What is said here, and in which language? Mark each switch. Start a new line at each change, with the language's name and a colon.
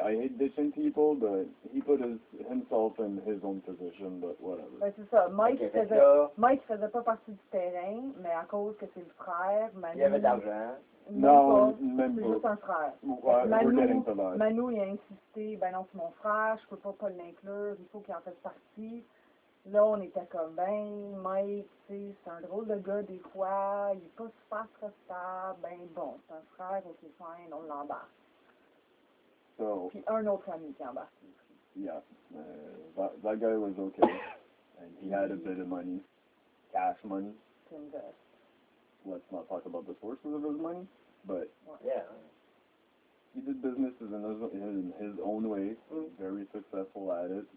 English: I hate ditching people, but he put himself in his own position, but whatever.
French: Ben, c'est ça. Mike faisait pas partie du terrain, mais à cause que c'est le frère, Manu... Il y avait d'argent. Non, c'est juste un frère. Manu, il a insisté, ben non, c'est mon frère, je peux pas l'inclure, il faut qu'il en fasse partie. Là, on était comme, ben, Mike, tu sais, c'est un drôle de gars des fois, il est pas super stressable, ben bon, c'est un frère, ok, fine, on l'embarque.
English: So,
French: puis un autre ami qui embarque.
English: Yeah, that guy was okay, and he had a bit of money, cash money. Invest. Let's not talk about the sources of his money, but, yeah. He did businesses in his own way, very successful at it.